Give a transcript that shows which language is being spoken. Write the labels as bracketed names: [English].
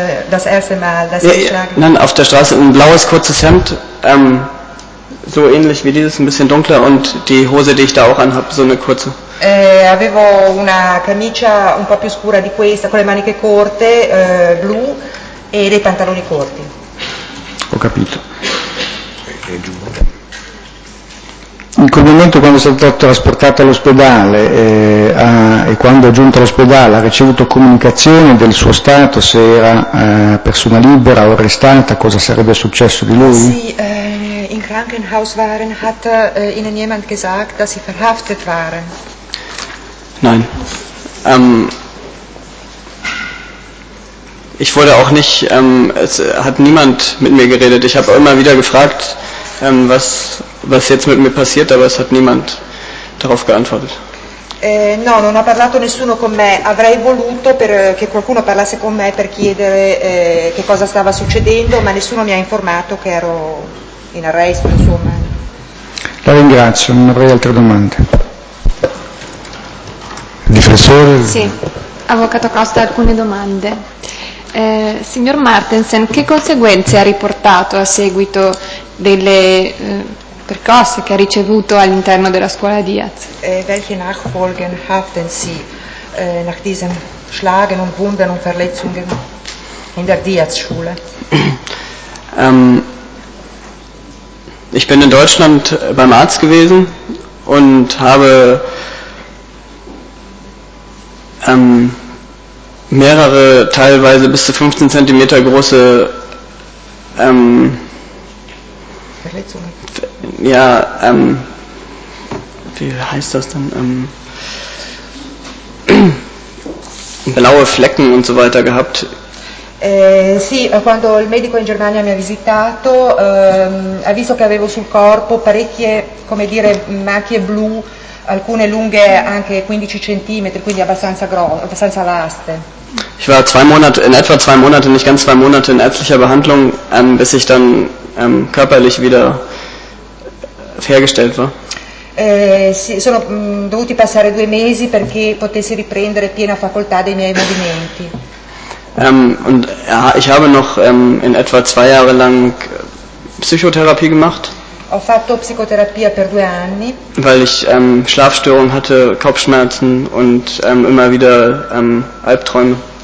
[German] Das erste Mal, dass ich schlagen. Nein, auf der Straße ein blaues kurzes Hemd, so ähnlich wie dieses, ein bisschen dunkler, und die Hose, die ich da auch anhabe, so eine kurze. [Italian] Avevo una camicia un po' più scura di questa, con le maniche corte, blu, e dei pantaloni corti. Ho capito. In quel momento, quando è stato trasportato all'ospedale e quando è giunto all'ospedale, ha ricevuto comunicazione del suo stato, se era persona libera o arrestata, cosa sarebbe successo di lui? [German] Sì, in Krankenhaus waren, hat ihnen jemand gesagt, dass sie verhaftet waren. Nein. Ich wurde auch nicht, es hat niemand mit mir geredet. Ich habe immer wieder gefragt, was jetzt mit mir passiert, aber es hat niemand darauf geantwortet. [Italian] No, non ha parlato nessuno con me. Avrei voluto che qualcuno parlasse con me per chiedere che cosa stava succedendo, ma nessuno mi ha informato che ero in arresto, insomma. La ringrazio, non avrei altre domande. Difensore? Sì, avvocato Costa, alcune domande. Signor Martensen, che conseguenze ha riportato a seguito delle percosse che ha ricevuto all'interno della scuola Diaz? [German] Welche Nachfolgen hatten Sie nach diesen Schlagen und Wunden und Verletzungen in der Diaz-Schule? Ich bin in Deutschland beim Arzt gewesen und habe mehrere, teilweise bis zu 15 cm große Verletzungen. Wie heißt das denn? Blaue Flecken und so weiter gehabt. [Italian] Sì, quando il medico in Germania mi ha visitato, ha visto che avevo sul corpo parecchie, come dire, macchie blu. Alcune lunghe anche 15 centimetri, quindi abbastanza vaste. [German] Ich war nicht ganz zwei Monate in ärztlicher Behandlung, bis ich dann körperlich wieder hergestellt war. [Italian] Sono dovuti passare due mesi perché potessi riprendere piena facoltà dei miei movimenti. [German] Ich habe noch in etwa zwei Jahre lang Psychotherapie gemacht. [Italian] Ho fatto psicoterapia per due anni. [German] Weil ich Schlafstörungen hatte, Kopfschmerzen und immer wieder Albträume.